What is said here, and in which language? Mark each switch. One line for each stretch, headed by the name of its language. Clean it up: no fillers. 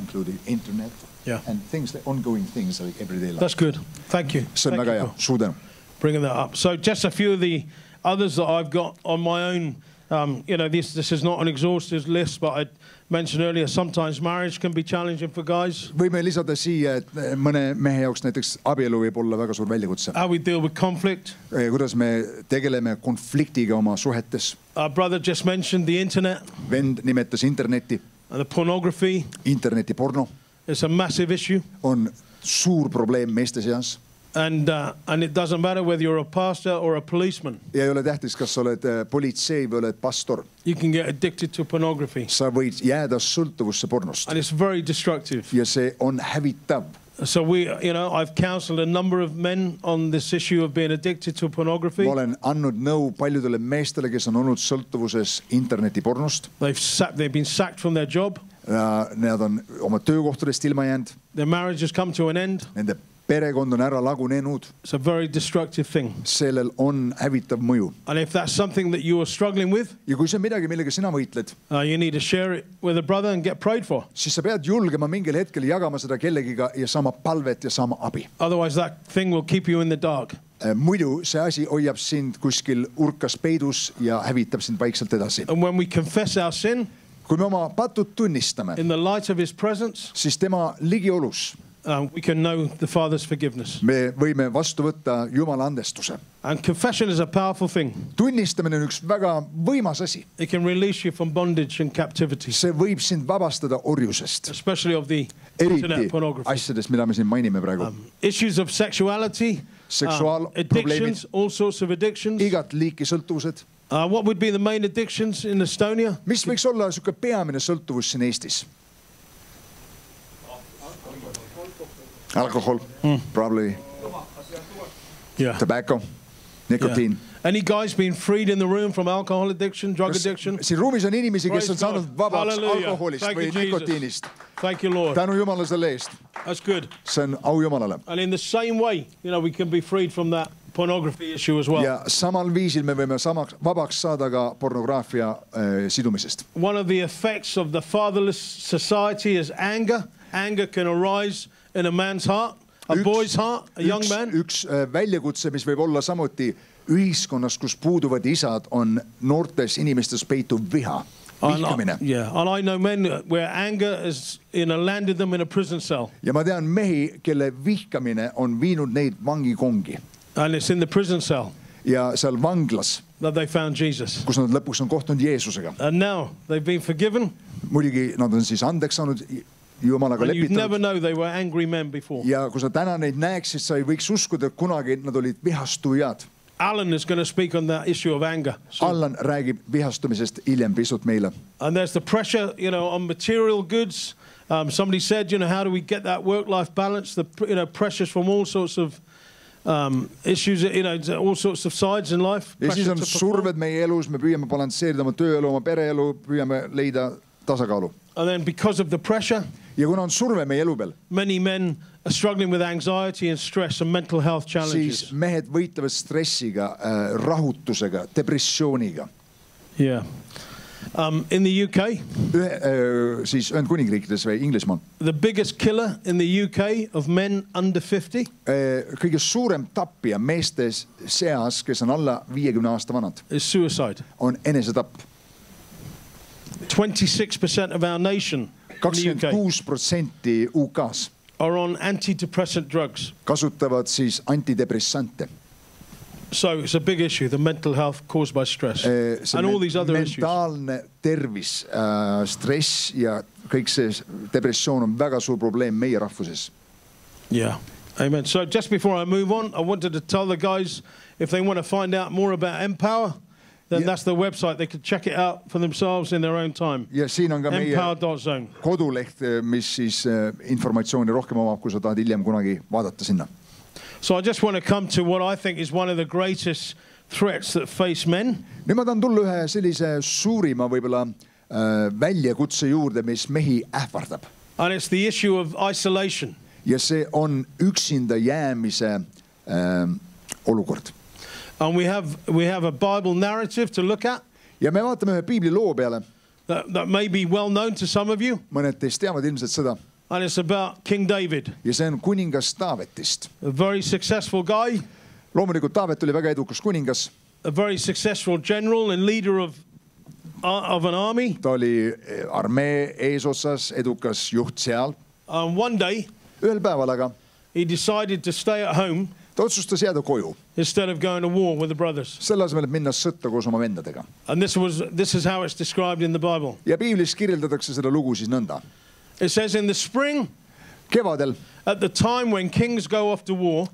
English: including internet, yep. and things, the ongoing things like everyday life. That's good. Thank you. So, Nagaya, Sudan. Bringing that up. So, just a few of the others that I've got on my own. You know, this is not an exhaustive list, but I mentioned earlier, sometimes marriage can be challenging for guys.
Estonian: Võime lisada siia, et mõne mehe jaoks näiteks abielu võib olla väga suur väljakutse.
English: How we deal with conflict.
Estonian: Kuidas me tegeleme konfliktiga oma suhetes.
English: Our brother just mentioned the internet.
Estonian: Vend nimetas interneti.
English: And the pornography.
Estonian: Interneti porno.
English: It's a massive issue.
Estonian: On suur probleem meeste seas.
English: And it doesn't matter whether you're a pastor or a policeman.
Estonian: Ja ei ole tähtis, kas oled politsei või oled pastor.
English: You can get addicted to pornography.
Estonian: Sa võid jääda sõltuvusse pornost.
English: And it's very destructive.
Estonian: Ja see on hävitav.
English: So we, you know, I've counseled a number of men on this issue of being addicted to pornography.
Estonian: Ma olen annud nõu paljudele meestele, kes on olnud sõltuvuses interneti pornost.
English: They've been sacked from their job.
Estonian: Nad on oma töökohtadest ilma jäänud.
English: Their marriage has come to an end.
Estonian: Nende perekond on ära lagunenud.
English: It's a very destructive thing.
Estonian: Sellel on hävitav mõju.
English: And if that's something that you are struggling with,
Estonian: ja kui see on midagi, millega sina võitled,
English: you need to share it with a brother and get prayed for.
Estonian: Siis sa pead julgema mingil hetkel jagama seda kellegiga ja sama palvet ja sama abi.
English: Otherwise that thing will keep you in the dark.
Estonian: Muidu see asi hoiab sind kuskil urkas peidus ja hävitab sind vaikselt edasi.
English: And when we confess our sin,
Estonian: kui me oma patud tunnistame,
English: in the light of his presence,
Estonian: siis tema ligiolus,
English: We can know the Father's forgiveness.
Estonian: Me võime vastu võtta Jumala andestuse.
English: And confession is a powerful thing.
Estonian: Tunnistamine on üks väga võimas asi.
English: It can release you from bondage and captivity.
Estonian: See võib sind vabastada orjusest.
English: Especially of the internet pornography.
Estonian: Asjades, mida me siin mainime praegu.
English: Issues of sexuality.
Estonian: Seksuaal
English: addictions, all sorts of addictions.
Estonian: Igat liiki sõltuvused.
English: What would be the main addictions in Estonia?
Estonian: Mis võiks olla suuke peamine sõltuvus siin Eestis?
English: Alcohol, probably. Yeah. Tobacco, nicotine. Yeah. Any guys being freed in the room from alcohol addiction, drug addiction?
Estonian: Siin ruumis on inimesi, kes on saanud vabaks alkoholist või nikotiinist.
English: Thank you, Lord.
Estonian: Tänu Jumala selle eest.
English: That's good.
Estonian: See on au Jumalale.
English: And in the same way, you know, we can be freed from that pornography issue as well.
Estonian: Ja samal viisil me võime samaks vabaks saada ka pornograafia sidumisest.
English: One of the effects of the fatherless society is anger. Anger can arise in a man's heart, a boy's heart, a young man.
Estonian: Üks väljakutse, mis võib olla samuti ühiskonnas, kus puuduvad isad, on noortes inimestes peituv viha, vihkamine.
English: And I know men where anger has, you know, landed them in a prison cell.
Estonian: Ja ma tean mehi, kelle vihkamine on viinud neid vangikongi.
English: And it's in the prison cell.
Estonian: Ja seal vanglas.
English: That they found Jesus.
Estonian: Kus nad lõpuks on kohtunud Jeesusega.
English: And now they've been forgiven.
Estonian: Muidugi nad on siis andeks saanud. Jumalaga lepitanud.
English: You'd never know they were angry men before.
Estonian: Ja kui sa täna neid näeksid, sa ei võiks uskuda, et kunagi nad olid vihastujad.
English: Alan is going to speak on that issue of anger.
Estonian: Alan räägib vihastumisest iljem pisut meile.
English: And there's the pressure, you know, on material goods. Somebody said, you know, how do we get that work-life balance? The, you know, pressures from all sorts of issues, you know, all sorts of sides in life.
Estonian: Ja siis on surved meie elus, me püüame balanseerida oma tööelu, oma pereelu, püüame leida tasakaalu.
English: And then because of the pressure,
Estonian: ja kuna on surve meie elu peal,
English: many men are struggling with anxiety and stress and mental health challenges.
Estonian: Siis mehed võitavad stressiga, rahutusega, depressiooniga.
English: Yeah. In the UK,
Estonian: siis on kuningriikides või Inglismaal.
English: The biggest killer in the UK of men under 50.
Estonian: Kõige suurem tappija meestes seas, kes on alla 50 aasta vanad,
English: is suicide.
Estonian: On enesetapp.
English: 26% of our nation.
Estonian: 26% UK-s
English: are on antidepressant drugs.
Estonian: Kasutavad siis antidepressante.
English: So it's a big issue, the mental health caused by stress. And all these other issues.
Estonian: Mentaalne tervis, stress ja kõik see depressioon on väga suur probleem meie rahvuses.
English: Yeah. Amen. So just before I move on, I wanted to tell the guys, if they want to find out more about Empower, then yeah, that's the website. They could check it out for themselves in their own time.
Estonian: Ja siin on ka Empower.zone. Meie koduleht, mis siis informatsiooni rohkem omab, kui sa tahad iljem kunagi vaadata sinna.
English: So I just want to come to what I think is one of the greatest threats that face men.
Estonian: Nüüd ma tahan tulla ühe sellise suurima võibolla väljakutse juurde, mis mehi ähvardab.
English: And it's the issue of isolation.
Estonian: Ja see on üksinda jäämise olukord.
English: And we have a Bible narrative to look at.
Estonian: Ja me vaatame ühe piibli loo peale.
English: That may be well known to some of you.
Estonian: Mõned teist teavad ilmselt seda.
English: And it's about King David.
Estonian: Ja see on kuningas Taavetist.
English: A very successful guy.
Estonian: Loomulikult Taavet oli väga edukas kuningas.
English: A very successful general and leader of an army.
Estonian: Ta oli armee eesosas edukas juht seal.
English: And one day,
Estonian: ühel päeval aga,
English: he decided to stay at home.
Estonian: Ta otsustas jääda koju.
English: Instead of going to war with the brothers.
Estonian: Selle asemel, et minna sõtta koos oma vendadega.
English: And this is how it's described in the Bible.
Estonian: Ja piiblis kirjeldatakse seda lugu siis nõnda.
English: It says in the spring,
Estonian: kevadel,
English: at the time when kings go off to war,